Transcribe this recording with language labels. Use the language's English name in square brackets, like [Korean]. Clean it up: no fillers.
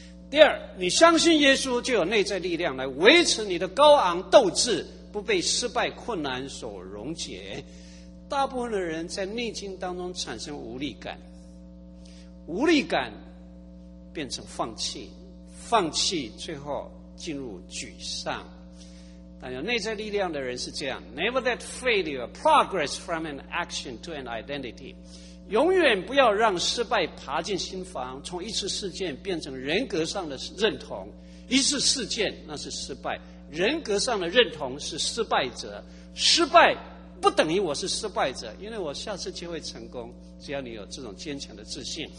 [Chinese] 第二，你相信耶稣就有内在力量来维持你的高昂斗志，不被失败困难所溶解。大部分的人在逆境当中产生无力感，无力感变成放弃，放弃最后进入沮丧。但有内在力量的人是这样， [English] Never let failure progress from an action to an identity。 [Chinese] 永远不要让失败爬进心房，从一次事件变成人格上的认同。一次事件那是失败，人格上的认同是失败者。失败不等于我是失败者，因为我下次就会成功，只要你有这种坚强的自信。